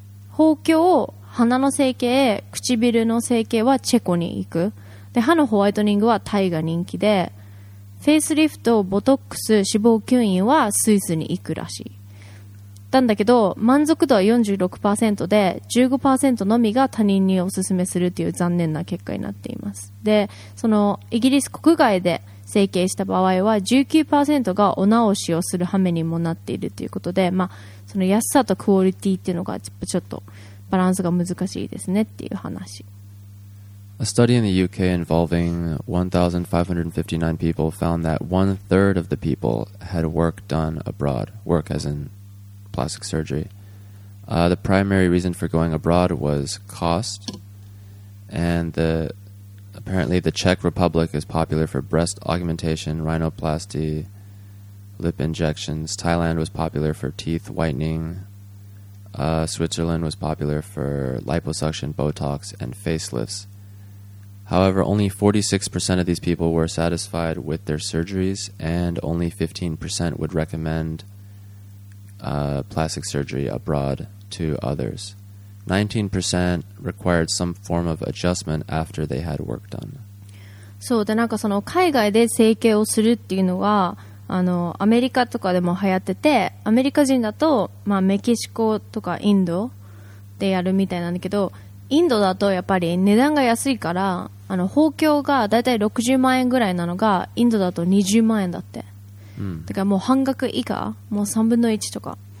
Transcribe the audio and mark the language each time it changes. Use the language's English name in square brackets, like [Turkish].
[Japanese] 包茎、鼻の整形、唇の整形はチェコに行くで、歯のホワイトニングはタイが人気で、フェイスリフト、ボトックス、脂肪吸引はスイスに行くらしいなんだけど、満足度は 46% で 15% のみが他人にお勧めするという残念な結果になっています。で、そのイギリス国外で整形した場合は 19% がお直しをする羽目にもなっているということで、まあ、その安さとクオリティっていうのがちょっとバランスが難しいですねっていう話。 [English] A study in the UK involving 1,559 people found that one third of the people had work done abroad, work as inplastic surgery. The primary reason for going abroad was cost, and apparently the Czech Republic is popular for breast augmentation, rhinoplasty, lip injections. Thailand was popular for teeth whitening. Switzerland was popular for liposuction, Botox, and facelifts. However, only 46% of these people were satisfied with their surgeries, and only 15% would recommendplastic surgery abroad to others. 19% required some form of adjustment after they had work done. [Japanese] そうで、なんかその海外で整形をするっていうのは、あのアメリカとかでも流行ってて、アメリカ人だと、まあ、メキシコとかインドでやるみたいなんだけど、インドだとやっぱり値段が安いから、あの包茎がだいたい60万円ぐらいなのがインドだと20万円だって。だからもう半額以下、もう3分の1とか。